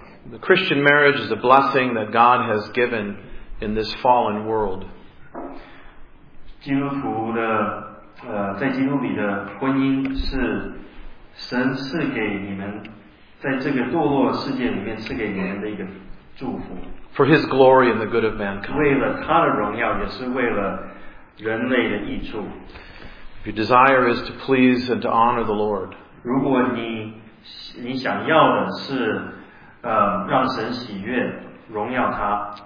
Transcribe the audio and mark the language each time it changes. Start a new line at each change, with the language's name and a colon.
English: The Christian marriage is a blessing that God has given in this fallen world.
Chinese: 基督徒的在基督里的婚姻是神赐给你们在这个堕落世界里面赐给你们的一个祝福
English: For His glory and the good of mankind.
Chinese: 为了他的荣耀, 也是为了人类的益处.
English: If your desire is to please and to honor the Lord,
Chinese: 如果你想要的是 让神喜悦, 荣耀他,